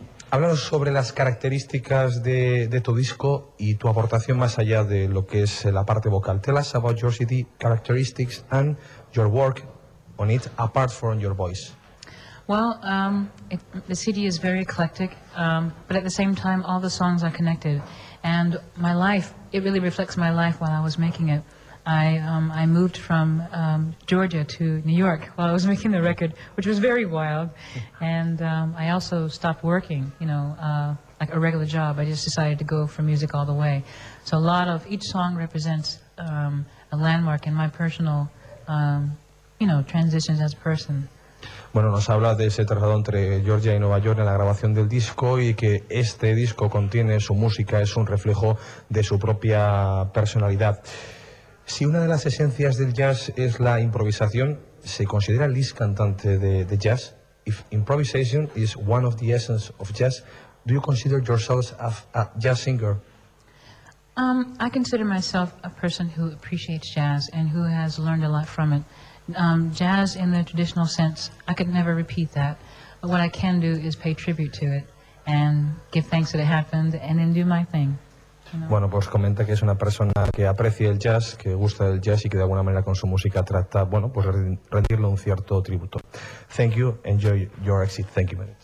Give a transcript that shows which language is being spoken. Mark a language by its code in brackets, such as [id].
[es] Háblanos sobre las características de tu disco y tu aportación más allá de lo que es la parte vocal. [en] Tell us about your CD characteristics and your work on it apart from your voice. Well, the CD is very eclectic, but at the same time, all the songs are connected. And my life, it really reflects my life while I was making it. I moved from Georgia to New York while I was making the record, which was very wild. And I also stopped working, you know, like a regular job. I just decided to go for music all the way. So a lot of each song represents a landmark in my personal, you know, transitions as a person. [es] Bueno, nos habla de ese traslado entre Georgia y Nueva York en la grabación del disco, y que este disco contiene su música, es un reflejo de su propia personalidad. Si una de las esencias del jazz es la improvisación, ¿se considera Liz cantante de jazz? [en] If improvisation is one of the essence of jazz, do you consider yourself a jazz singer? I consider myself a person who appreciates jazz and who has learned a lot from it. Jazz in the traditional sense, I could never repeat that, but what I can do is pay tribute to it and give thanks that it happened and then do my thing, you know? [es] Bueno, pues comenta que es una persona que aprecia el jazz, que gusta el jazz, y que de alguna manera con su música trata, bueno, pues rendirle un cierto tributo. [en] Thank you, enjoy your exit. Thank you, man.